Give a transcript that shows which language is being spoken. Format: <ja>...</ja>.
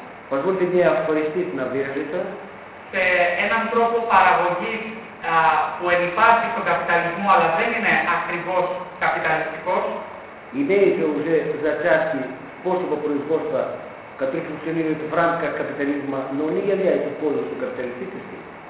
<ru>Позвольте мне афористить на вежливо.</ru> <el>Έναν τρόπο παραγωγής που ενυπάρχει στον καπιταλισμό, αλλά δεν είναι ακριβώς καπιταλιστικός.</el> <ru>Имеются уже зачатки способа производства, которые функционируют в рамках капитализма, но не являются полностью капиталистическими.</ru>